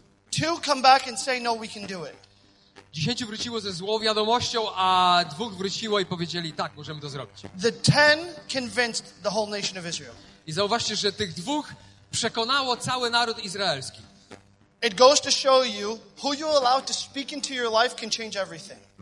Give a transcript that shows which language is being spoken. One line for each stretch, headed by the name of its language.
English: Two come back and say, no, we can do it.
Polish: 10 wróciło ze złą wiadomością, a 2 wróciło i powiedzieli, tak, możemy to zrobić.
English: The 10 convinced the whole nation of Israel.
Polish: I zauważcie, że tych 2 przekonało cały naród izraelski.
English: It goes to show you who you allow to speak into your life can change everything.